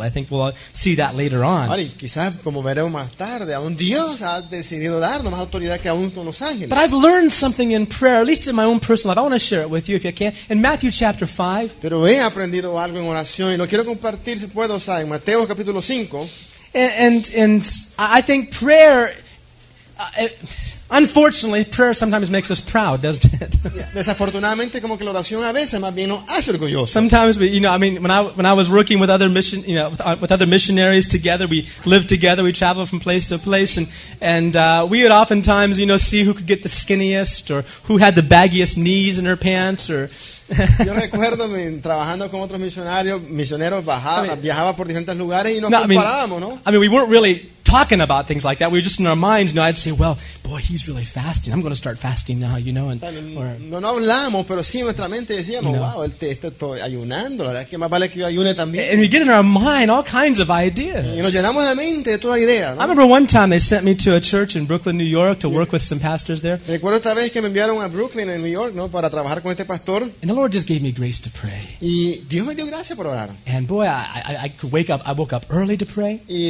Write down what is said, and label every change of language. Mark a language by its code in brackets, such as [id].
[en] I think we'll see that later on. [es] Ahora, quizás como veremos más tarde, aún Dios ha decidido darnos más autoridad que aún con los ángeles. [en] But I've learned something in prayer, at least in my own personal life. I want to share it with you if you can. In Matthew chapter 5. [es] Pero he aprendido algo en oración y lo quiero compartir. Si puedo, en Mateo capítulo 5. [en] And I think prayer, unfortunately, prayer sometimes makes us proud, doesn't it? [es] Desafortunadamente, como que la oración a veces más bien nos hace orgullosos. [en] Sometimes, when I was working with other mission, you know, with other missionaries together, we lived together, we traveled from place to place, and we would oftentimes, you know, see who could get the skinniest or who had the baggiest knees in her pants or. [es] Yo recuerdo trabajando con otros misioneros viajaba por diferentes lugares y nos comparábamos, ¿no? [en] I mean, we weren't really talking about things like that. We were just in our minds, you know. I'd say, "Well, boy, he's really fasting. I'm going to start fasting now," you know. And [es] no hablamos, pero sí en nuestra mente decíamos, [en] you know, [es] "Wow, él está ayunando. La verdad es que más vale que yo ayune también." [en] And we get in our mind all kinds of ideas. [es] Y nos llenamos la mente de toda idea, ¿no? [en] I remember one time they sent me to a church in Brooklyn, New York, to work with some pastors there. [es] Recuerdo esta vez que me enviaron a Brooklyn, en New York, ¿no? Para trabajar con este pastor. [en] And the Lord just gave me grace to pray. [es] Y Dios me dio gracia por orar. [en] And boy, I could wake up. I woke up early to pray.